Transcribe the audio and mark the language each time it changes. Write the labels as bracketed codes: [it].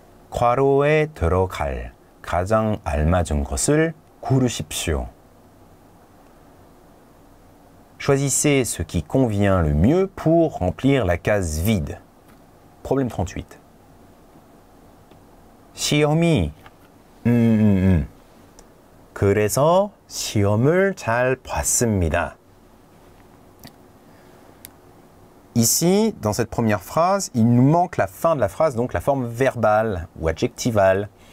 [ko] 괄호에 들어갈 가장 알맞은 것을 고르십시오. [fr] Choisissez ce qui convient le mieux pour remplir la case vide. Problème 38. [ko] 시험이 그래서 시험을 잘 봤습니다. [fr] Ici, dans cette première phrase, il nous manque la fin de la phrase, donc la forme verbale ou adjectivale.